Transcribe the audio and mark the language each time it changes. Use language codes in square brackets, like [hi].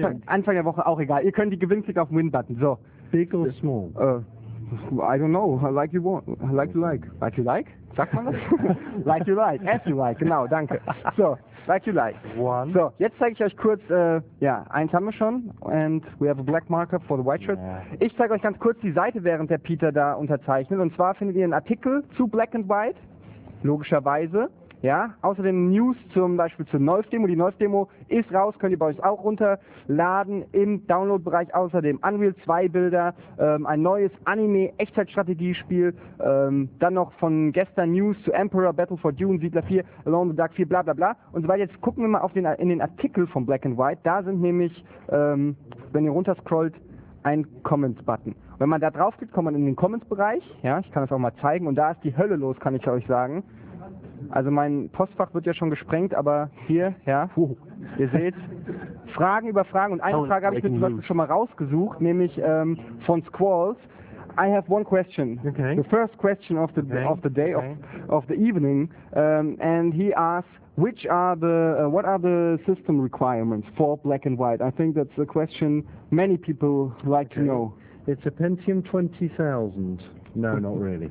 [de] Ja, Anfang der Woche auch egal. Ihr könnt die gewinnen, klickt auf den Win-Button. So. [en] Big or small? I don't know. Like you like. [de] Sagt man das? [en] Like you like. As you like. [de] Genau, danke. [en] So, like you like. One. [de] So, jetzt zeige ich euch kurz, eins haben wir schon. [en] And we have a black marker for the white shirt. [de] Ich zeige euch ganz kurz die Seite, während der Peter da unterzeichnet. Und zwar findet ihr einen Artikel zu Black and White. Logischerweise. Ja, außerdem News zum Beispiel zur Nolf-Demo. Die Nolf-Demo ist raus, könnt ihr bei euch auch runterladen im Download-Bereich. Außerdem Unreal 2 Bilder, ein neues Anime-Echtzeitstrategiespiel, dann noch von gestern News zu Emperor, Battle for Dune, Siedler 4, Alone in the Dark 4, bla bla bla. Und so weiter. Jetzt gucken wir mal in den Artikel von Black and White. Da sind nämlich, wenn ihr runterscrollt, ein Comments-Button. Wenn man da draufklickt, kommt man in den Comments-Bereich. Ja, ich kann das auch mal zeigen. Und da ist die Hölle los, kann ich euch sagen. Also mein Postfach wird ja schon gesprengt, aber hier, ja, ihr seht, Fragen über Fragen. Und eine Frage habe ich mir zum Beispiel schon mal rausgesucht, nämlich von Squalls. [en] I have one question. Okay. The first question of the of the evening. And he asks, what are the system requirements for Black and White? I think that's a question many people like to know. It's a Pentium 20,000. No, not really.